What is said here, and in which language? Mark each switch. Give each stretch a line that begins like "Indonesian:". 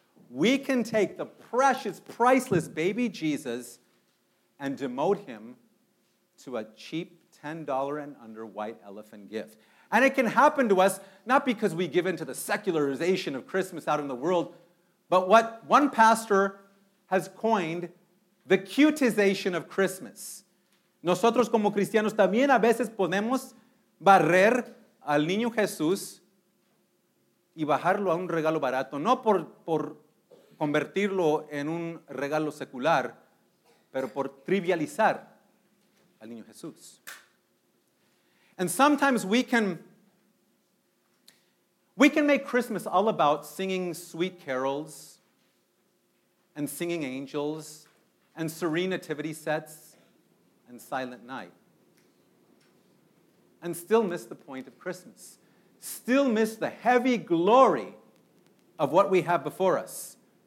English: We can take the precious, priceless baby Jesus and demote him to a cheap $10 and under white elephant gift. And it can happen to us, not because we give in to the secularization of Christmas out in the world, but what one pastor has coined, the cutization of Christmas.
Spanish: Nosotros como cristianos también a veces podemos barrer al niño Jesús y bajarlo a un regalo barato, no por convertirlo en un regalo secular, pero por trivializar al niño Jesús.
English: And sometimes we can make Christmas all about singing sweet carols and singing angels and serene nativity sets and silent night and still miss the point of Christmas, still miss the heavy glory of what we have before us.